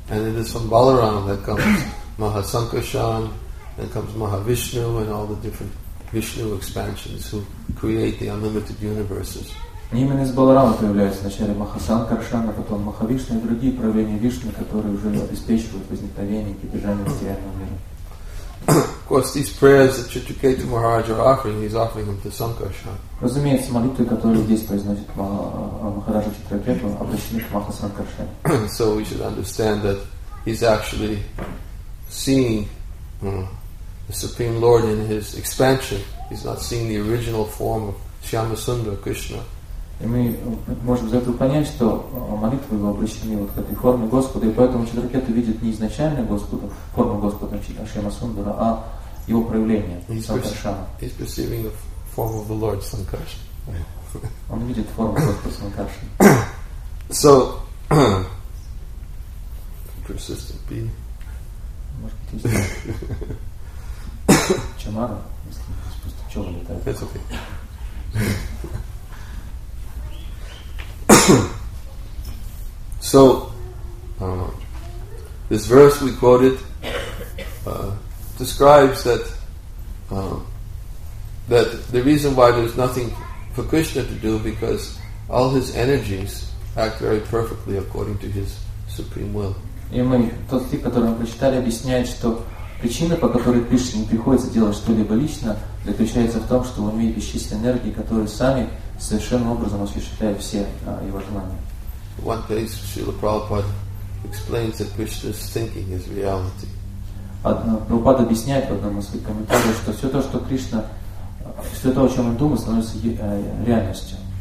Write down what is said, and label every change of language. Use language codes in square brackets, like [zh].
[en] And it is from Balaram that comes Mahasankarshan, and comes Mahavishnu, and all the different Vishnu expansions who create the unlimited universes. [ru] Именно из Баларама появляются вначале Махасанкаршана, потом Махавишна и другие проявления Вишны, которые уже обеспечивают возникновение и поддержание материального мира. [en] Of course, these prayers that Chitraketu Maharaj are offering, he's offering them to Sankarshan. [ru] Разумеется, молитвы, которые здесь произносит Махараджа Читракету, обращены к Махасанкаршане. [en] So we should understand that he's actually seeing the Supreme Lord in his expansion. He's not seeing the original form of Shyama Sundara Krishna. [ru] И мы можем за это понять, что молитвы его обращены вот к этой форме Господа, и поэтому Читракету видит не изначальную Господа, форму Господа, а Шрима Сундара, а его проявление, Санкаршана. [en] He's perceiving the form of the Lord, Sankarshana. [ru] Он видит форму Господа Санкаршана. [en] So, persistent be. [ru] Может быть, есть Чамара, если просто пчелы летают. [en] It's okay. So, this verse we quoted describes that that the reason why there's nothing for Krishna to do because all his energies act very perfectly according to his supreme will. [ru] И мы тот стих, который мы прочитали, объясняет, что причина, по которой Кришне не приходится делать что-либо лично, заключается в том, что он имеет бесчисленные энергии, которые сами совершенно образом осуществляют все его желания. [en] One place Srila Prabhupada explains that Krishna's thinking is reality. [ru] Prabhupada объясняет в одном из своих комментариев, что все то, что Кришна, все то, о чем он думает, становится реальностью.